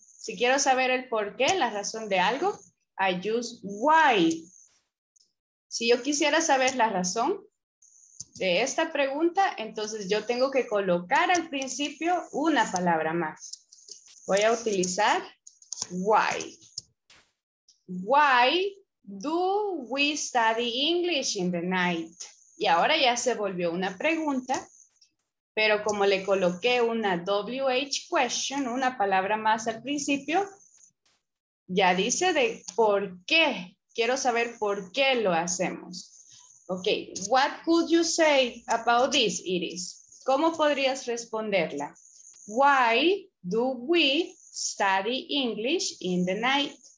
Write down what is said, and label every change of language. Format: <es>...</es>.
<es>Si quiero saber el por qué, la razón de algo,</es> <en>I use why.</en> <es>Si yo quisiera saber la razón, de esta pregunta, entonces yo tengo que colocar al principio una palabra más. Voy a utilizar why.</es> <en>Why do we study English in the night?</en> <es>Y ahora ya se volvió una pregunta, pero como le coloqué una WH question, una palabra más al principio, ya dice de por qué. Quiero saber por qué lo hacemos.</es> <en>Ok, what could you say about this, Iris?</en> <es>¿Cómo podrías responderla?</es> <en>Why do we study English in the night?</en>